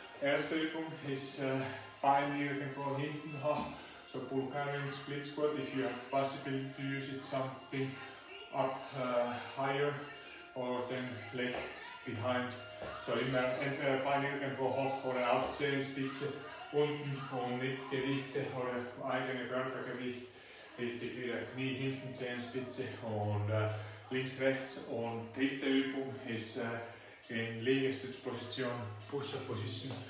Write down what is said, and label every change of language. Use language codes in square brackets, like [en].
[de] Erste Übung ist Beine irgendwo hinten, so Bulgarian split squat. [en] If you have possibility to use it something up higher, or then leg behind. [de] So immer entweder Beine irgendwo hoch oder auf Zehenspitze unten und mit Gewichte oder eigene Körpergewicht richtig wieder Knie hinten, Zehenspitze und links, rechts. Und dritte Übung ist in Liegestützposition, Push-up Position.